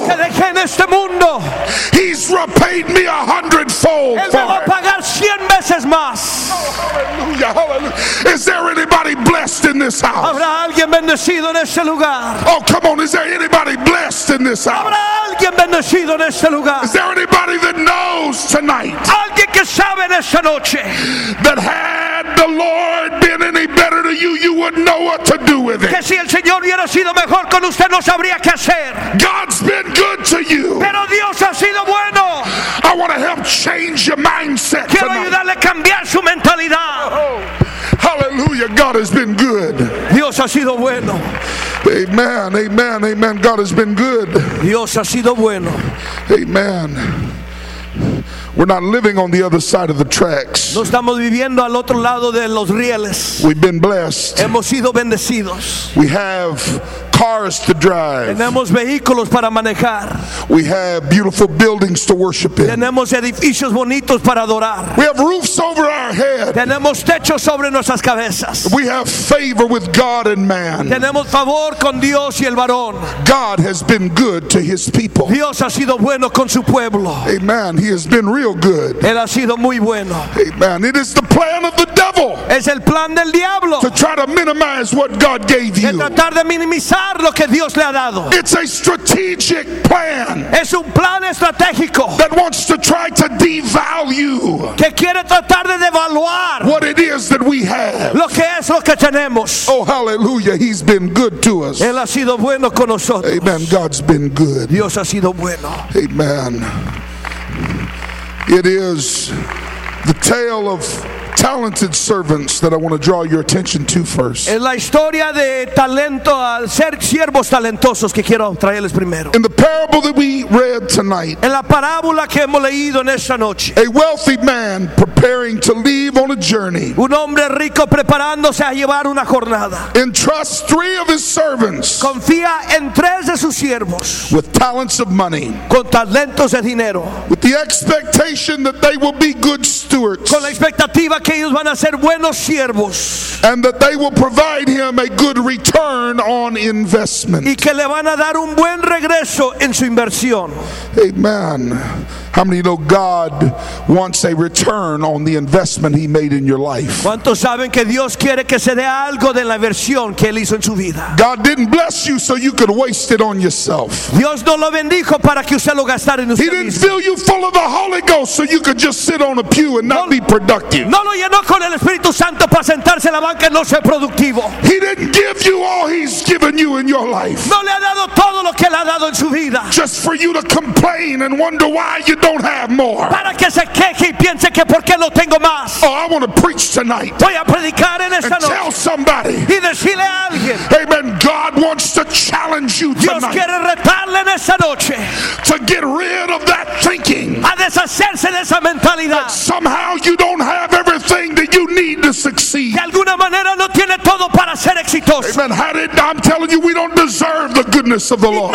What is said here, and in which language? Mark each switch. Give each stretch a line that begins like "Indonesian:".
Spanish: lo que dejé en este mundo,
English: he's repaid me 100-fold.
Spanish: Él me va a pagar 100 veces más.
English: Hallelujah, hallelujah. Is there anybody blessed in this house?
Spanish: ¿Habrá alguien bendecido en este lugar?
English: Oh, come on, is there anybody blessed in this house?
Spanish: ¿Habrá alguien bendecido en este lugar?
English: Is there anybody that knows tonight?
Spanish: ¿Alguien que sabe en esta noche?
English: That had the Lord been any better to you, you wouldn't know what to do with it.
Spanish: Que si el Señor hubiera sido mejor con usted, no sabría qué hacer.
English: God's been good to you.
Spanish: Pero Dios ha sido bueno.
English: I want to help change your mindset.
Spanish: Quiero
English: tonight.
Spanish: Ayudarle a cambiar su mentalidad.
English: Oh, hallelujah, God has been good.
Spanish: Dios ha sido bueno.
English: Amen, amen, amen. God has been good.
Spanish: Dios ha sido bueno.
English: Amen. We're not living on the other side of the tracks.
Spanish: No estamos viviendo al otro lado de los rieles.
English: We've been blessed.
Spanish: Hemos sido bendecidos.
English: We have cars to drive.
Spanish: Tenemos vehículos para manejar.
English: We have beautiful buildings to worship in.
Spanish: Tenemos edificios bonitos para adorar.
English: We have roofs over our head.
Spanish: Tenemos techos sobre nuestras cabezas.
English: We have favor with God and man.
Spanish: Tenemos favor con Dios y el varón.
English: God has been good to his people.
Spanish: Dios ha sido bueno con su pueblo.
English: Amen. He has been real good.
Spanish: Él ha sido muy bueno.
English: Amen. It is the plan of the devil.
Spanish: Es el plan del diablo.
English: To try to minimize what God gave you.
Spanish: De tratar de minimizar lo que Dios le ha dado.
English: It's a strategic plan.
Spanish: Es un plan estratégico.
English: That wants to try to devalue.
Spanish: Que quiere tratar de devaluar.
English: What it is that we have.
Spanish: Lo que es lo que tenemos.
English: Oh, hallelujah, he's been good to us.
Spanish: Él ha sido bueno con nosotros.
English: Amen, God's been good.
Spanish: Dios ha sido bueno.
English: Amen. It is the tale of talented servants that I want to draw your attention to first.
Spanish: En la historia de talento al ser siervos talentosos que quiero traerles primero.
English: In the parable that we read tonight.
Spanish: En la parábola que hemos leído en esta noche.
English: A wealthy man preparing to leave on a journey.
Spanish: Un hombre rico preparándose a llevar una jornada.
English: Entrusts three of his servants.
Spanish: Confía en tres de sus siervos.
English: With talents of money.
Spanish: Con talentos de dinero.
English: With the expectation that they will be good stewards.
Spanish: Con la expectativa que ellos van a ser buenos siervos.
English: And that they will provide him a good return on investment.
Spanish: Y que le van a dar un buen regreso en su inversión.
English: Amen. How many know God wants a return on the investment he made in your life?
Spanish: ¿Cuántos saben que Dios quiere que se dé algo de la inversión que él hizo en su vida?
English: God didn't bless you so you could waste it on yourself.
Spanish: Dios no lo bendijo para que usted lo gastara en usted mismo.
English: He didn't fill you full of the Holy Ghost so you could just sit on a pew and not be productive.
Spanish: No lo llenó con el Espíritu Santo para sentarse en la banca y no ser productivo.
English: He didn't give you all he's given you in your life.
Spanish: No le ha dado todo lo que él ha dado en su vida.
English: Just for you to complain and wonder why you don't have more.
Spanish: Para que se queje y piense que por qué no tengo más.
English: Oh, I want to preach tonight.
Spanish: Voy a predicar en esta
English: noche. Tell somebody.
Spanish: Y decirle a alguien.
English: Amen. God wants to challenge you tonight.
Spanish: Dios quiere retarle en esta noche.
English: To get rid of that thinking.
Spanish: A deshacerse de esa mentalidad.
English: That somehow you don't have everything that you need to succeed.
Spanish: De alguna manera no tiene todo para ser exitoso.
English: Amen. I'm telling you, we don't deserve the goodness of the Lord.